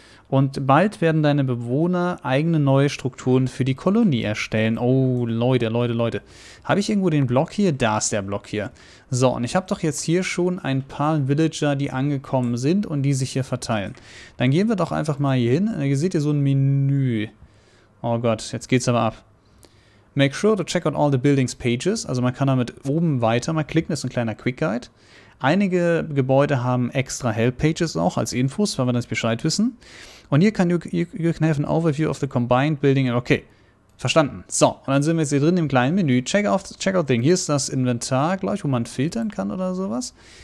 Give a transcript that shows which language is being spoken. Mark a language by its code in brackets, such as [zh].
[de] Und bald werden deine Bewohner eigene neue Strukturen für die Kolonie erstellen. Oh, Leute. Habe ich irgendwo den Block hier? Da ist der Block hier. So, und ich habe doch jetzt hier schon ein paar Villager, die angekommen sind und die sich hier verteilen. Dann gehen wir doch einfach mal hier hin. Hier seht ihr so ein Menü. Oh Gott, jetzt geht's aber ab. [en] Make sure to check out all the buildings pages. [de] Also man kann damit oben weiter mal klicken. Das ist ein kleiner Quick Guide. Einige Gebäude haben extra Help-Pages auch als Infos, weil wir das Bescheid wissen. Und hier kann [en] you can have an overview of the combined building. Okay, [de] verstanden. So, und dann sind wir jetzt hier drin im kleinen Menü. Checkout-Ding. Hier ist das Inventar, glaube ich, wo man filtern kann oder sowas.